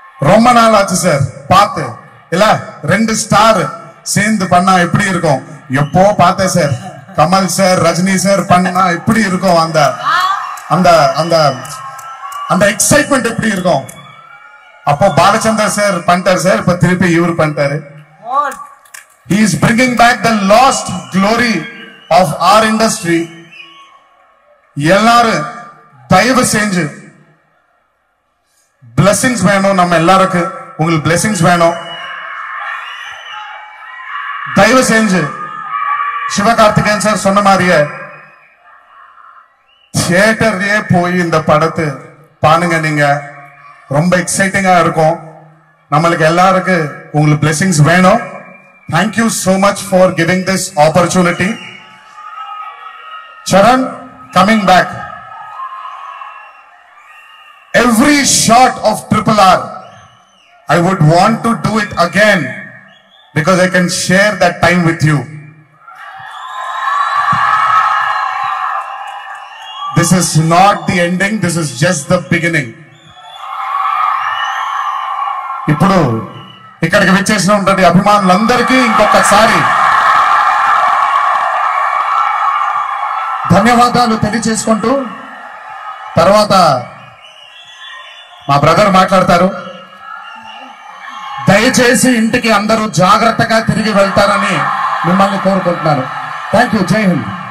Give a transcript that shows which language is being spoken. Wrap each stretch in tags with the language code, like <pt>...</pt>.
<ta>ரொம்ப நாள் ஆச்சு சார் பார்த்து, இல்ல ரெண்டு ஸ்டார் சேர்ந்து பண்ணா எப்படி இருக்கும்? எப்போ பார்த்தேன் sir Kamal sir Rajini sir பண்ணா எப்படி இருக்கும்? அந்த அந்த அந்த அந்த எக்ஸைட்மெண்ட் எப்படி இருக்கும்? அப்போ பாலச்சந்தர் சார் பண்ணிட்டாரு சார், இப்ப திருப்பி இவர் பண்ணிட்டாரு.</ta> <en>He is bringing back the lost glory of our industry.</en> <ta>எல்லாரும் தயவு செஞ்சு பிளெஸிங்ஸ் வேணும் நம்ம எல்லாருக்கும். உங்களுக்கு பிளெஸிங்ஸ் வேணும். தயவு செஞ்சு சிவகார்த்திகேயன் சார் சொன்ன மாதிரியே தியேட்டர்லயே போய் இந்த படத்தை பாருங்க நீங்க ரொம்ப எக்ஸைட்டிங்கா இருக்கும் நம்மளுக்கு எல்லாருக்கு உங்களுக்கு பிளெஸிங்ஸ் வேணும்</ta> <en>Thank you so much for giving this opportunity. Charan, coming back. Every shot of Triple R, I would want to do it again because I can share that time with you. This is not the ending, this is just the beginning.</en> <te>Ippudu ఇక్కడికి వచ్చేసిన ఉంటుంది అభిమానులందరికీ ఇంకొకసారి ధన్యవాదాలు తెలియజేసుకుంటూ తర్వాత మా brother మాట్లాడతారు దయచేసి ఇంటికి అందరూ జాగ్రత్తగా తిరిగి వెళ్తారని మిమ్మల్ని కోరుకుంటున్నాను థ్యాంక్ యూ జై హింద్</te>